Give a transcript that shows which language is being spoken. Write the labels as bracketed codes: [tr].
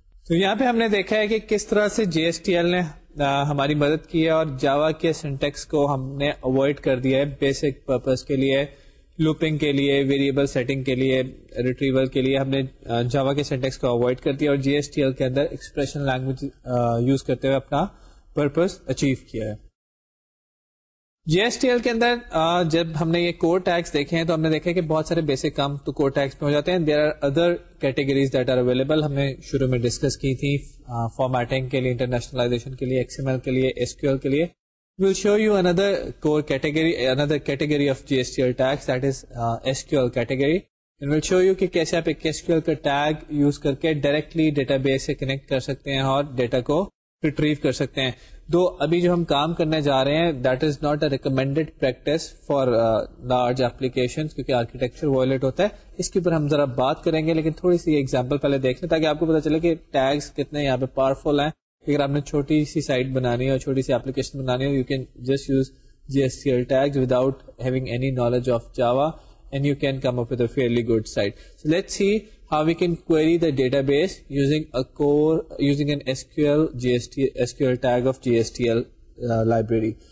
[ur] تو یہاں پہ ہم نے دیکھا ہے کہ کس طرح سے جی ایس ٹی ایل نے ہماری مدد کی ہے اور جاوا کے سنٹیکس کو ہم نے اوائڈ کر دیا ہے بیسک پرپز کے لیے, لوپنگ کے لیے, ویریبل سیٹنگ کے لیے, ریٹریول کے لیے ہم نے جاوا کے سینٹیکس کو اوائڈ کر دیا اور جی ایس ٹی ایل کے اندر ایکسپریشن لینگویج یوز کرتے ہوئے اپنا پرپز اچیو کیا ہے. جی ایس ٹی ایل کے اندر جب ہم نے یہ کور ٹیگز دیکھے ہیں تو ہم نے دیکھا کہ بہت سارے بیسک کام تو کور ٹیگز میں ہو جاتے ہیں. [en] there are other categories that are available, [ur] ہم نے شروع میں ڈسکس کی تھی فارمیٹنگ کے لیے, انٹرنیشنلائزیشن کے لیے, ایکس ایم ایل کے لیے, ایس کیو ایل کے لیے. [en] We'll show you another core category, another category of GSTL tags, that is SQL category. And we'll show you [ur] کہ کیسے آپ ایک SQL کا ٹیگ یوز کر کے ڈائریکٹلی ڈیٹا بیس سے کنیکٹ کر سکتے ہیں اور ڈیٹا کو ریٹریو کر سکتے ہیں. دو ابھی جو ہم کام کرنے جا رہے ہیں [en] that is not a recommended practice for large application [ur] کیونکہ آرکیٹیکچر وائلیٹ ہوتا ہے, اس کے اوپر ہم ذرا بات کریں گے. لیکن تھوڑی سی ایگزامپل پہلے دیکھ لیں تاکہ آپ کو پتا چلے کہ ٹیگس کتنے یہاں پہ پاورفل ہیں, اگر آپ نے چھوٹی سی سائٹ بنانی ہے اور چھوٹی سی اپلیکیشن بنانی ہے, [en] You can just use G S T L tags without having any knowledge of Java and you can come up with a fairly good site. So let's see how we can query the database using a core using N S Q L G S T S Q L tag of G S T L library.